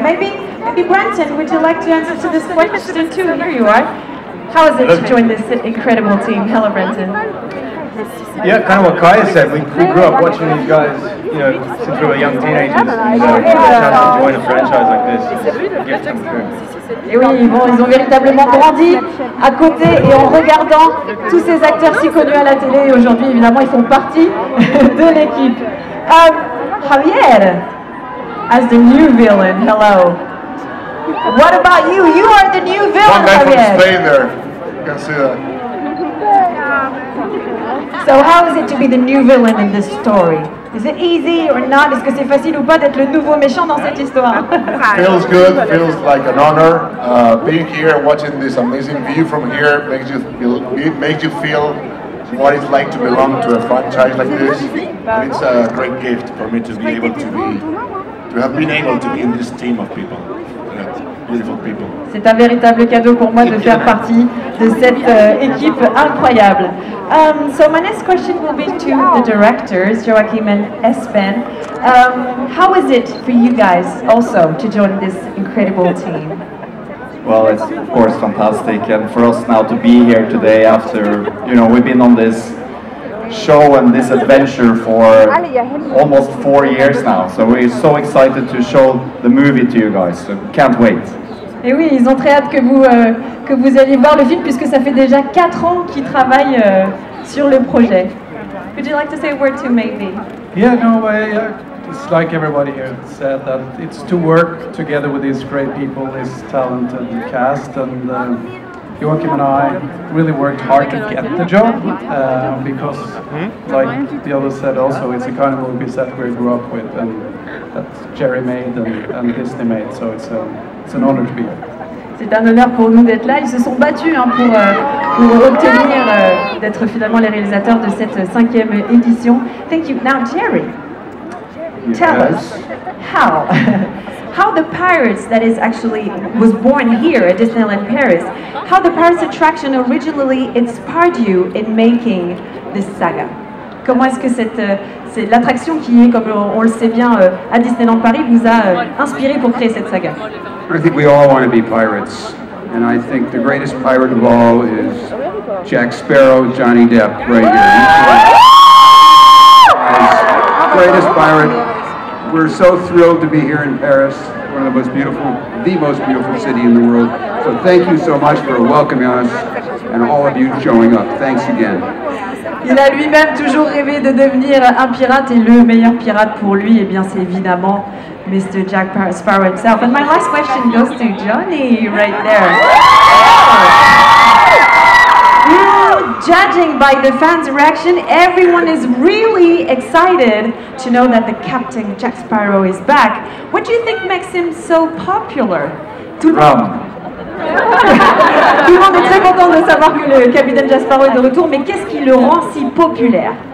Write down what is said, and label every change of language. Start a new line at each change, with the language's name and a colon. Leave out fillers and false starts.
English: Maybe Branton, would you like to answer to this question too? Here you are. How is it to join this incredible team? Hello, Branton. Yeah, kind of what Kaya said. We grew up watching these guys, you know, since we were young teenagers. So to join a franchise like this, get them through.
French: Et oui, bon, ils ont véritablement grandi à côté et en regardant tous ces acteurs si connus à la télé. Et aujourd'hui, évidemment, ils font partie de l'équipe.
English: Javier, as the new villain, hello. What about you? You are the new villain, Javier. One guy from Spain there. You can see that. So how is it to be the new villain in this story? Is it easy or not?
French: Est-ce que c'est facile ou pas d'être le nouveau méchant dans cette histoire?
English: Feels good. Feels like an honor. Being here and watching this amazing view from here makes you feel what it's like to belong to a franchise like this. And it's a great gift for me to have been able to be in this team of people.
French: C'est un véritable cadeau pour moi de faire partie de cette équipe incroyable.
English: So my next question will be to the directors, Joachim and Espen. How is it for you guys also to join this incredible team? Well, it's of course fantastic, and for us now to be here today after, you know, we've been on this show and this adventure for almost 4 years now. So we're so excited to show the movie to you guys. So can't wait.
French: Et oui, ils ont très hâte que vous alliez voir le film puisque ça fait déjà 4 ans qu'ils travaillent sur le projet.
English: Would you like to say a word to maybe? Yeah, no way. It's like everybody here said that it's to work together with these great people, this talented cast, and Joachim and I really worked hard to get the job, because like the others said also, it's a kind of movie set we grew up with and that Jerry made and Disney made, so it's an honor to be here.
French: C'est un honneur pour nous d'être là. Ils se sont battus hein, pour obtenir d'être finalement les réalisateurs de cette cinquième édition.
English: Thank you. Now, Jerry, tell us how the Pirates, that is actually was born here at Disneyland Paris, how the Pirates attraction originally inspired you in making this saga.
French: Comment est-ce que c'est l'attraction qui est, comme on le sait bien, à Disneyland Paris, vous a inspiré pour créer cette saga?
English: I think we all want to be pirates, and I think the greatest pirate of all is Jack Sparrow, Johnny Depp, right here. Greatest pirate. We're so thrilled to be here in Paris, one of the most beautiful city in the world. So thank you so much for welcoming us and all of you showing up. Thanks again.
French: Il a lui-même toujours rêvé de devenir un pirate, et le meilleur pirate pour lui, eh bien, c'est évidemment Mr.
English: Jack Sparrow himself. And my last question goes to Johnny right there. Now, judging by the fans' reaction, everyone is really excited to know that the captain, Jack Sparrow, is back. What do you think makes him so popular? Rum.
French: Tout le monde est très content de savoir que le capitaine Jack Sparrow est de retour, mais qu'est-ce qui le rend si populaire?